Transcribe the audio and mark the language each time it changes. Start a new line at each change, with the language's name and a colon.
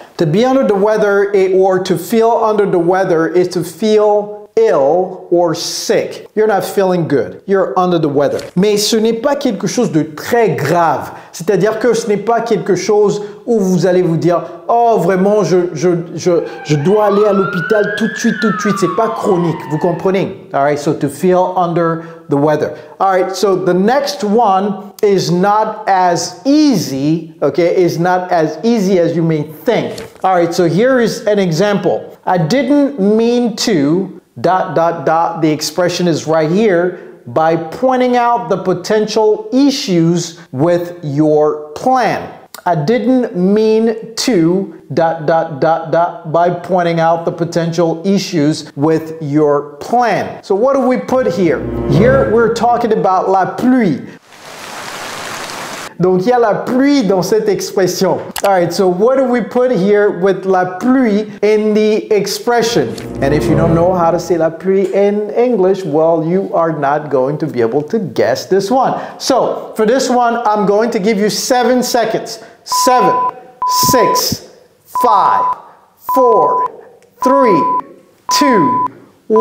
English: To be under the weather or to feel under the weather is to feel ill or sick. You're not feeling good. You're under the weather.
French: Mais ce n'est pas quelque chose de très grave. C'est-à-dire que ce n'est pas quelque chose où vous allez vous dire, oh vraiment, je dois aller à l'hôpital tout de suite. C'est pas chronique. Vous comprenez?
English: All right. So to feel under the weather. All right. So the next one is not as easy. Okay. Is not as easy as you may think. All right. So here is an example. I didn't mean to. Dot, dot, dot, the expression is right here, by pointing out the potential issues with your plan. I didn't mean to, dot, dot, dot, dot, by pointing out the potential issues with your plan. So what do we put here? Here we're talking about
French: la pluie. Donc, il y a la pluie dans cette expression.
English: All right, so what do we put here with
French: la pluie
English: in the expression? And if you don't know how to say
French: la pluie
English: in English, well, you are not going to be able to guess this one. So, for this one, I'm going to give you 7 seconds. 7, 6, 5, 4, 3, 2, 1.